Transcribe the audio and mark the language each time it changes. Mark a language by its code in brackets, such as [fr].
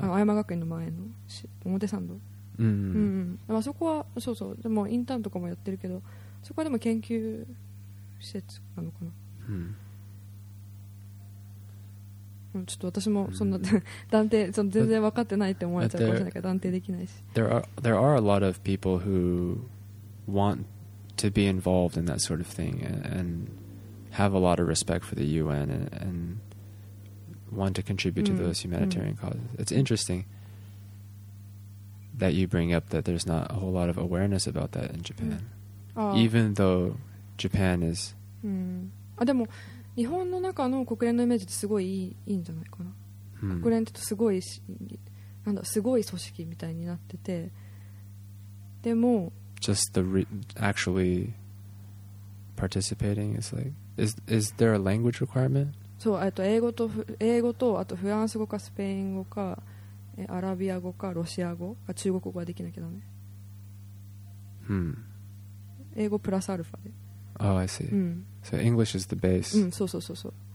[ja] 青山学院の前の表参道、あそこはそうそうでもインターンとかもやってるけどそこはでも研究施設なのかな、ちょっと私もそんな、断定その全然分かってないって思われちゃうかもしれないけど断定できないし [en] There are a lot of people who want to be involved in that sort of thing and have a lot of respect for the UN and want to contribute to those humanitarian causes. It's interesting. that you bring up that there's not a whole lot of awareness about that in Japan. Even though Japan is... [ja] でも日本の中の国連のイメージってすごいいいんじゃないかな。国連ってすごい組織みたいになってて、でも [en] just the actually participating is like is there a language requirement? [ja] そう、英語とフランス語かスペイン語かアラビア語かロシア語か中国語はできなきゃダメ。英語プラスアルファで。 [en] Oh, I see. So English is the base. [ja] そうそうそうそう。